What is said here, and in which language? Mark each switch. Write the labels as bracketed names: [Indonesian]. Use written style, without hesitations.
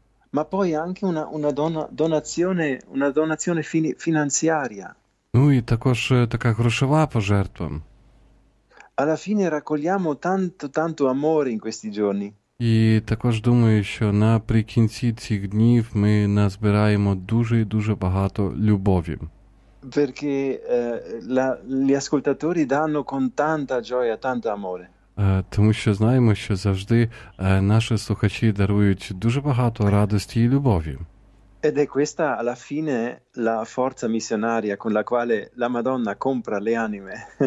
[Italian] Ma poi anche una donazione finanziaria. [Ukrainian] Ну і також така грошова пожертва. [Italian] Alla fine raccogliamo tanto amore in questi giorni. [Ukrainian] І також думаю, що наприкінці цих днів ми назбираємо дуже-дуже багато любові. [Italian] Perché gli ascoltatori danno con tanta gioia, tanto amore. [Ukrainian] Тому що знаємо, що завжди наші слухачі дарують дуже багато радості і любові. [Italian] Ed è questa alla fine la forza missionaria con la quale la Madonna compra le anime.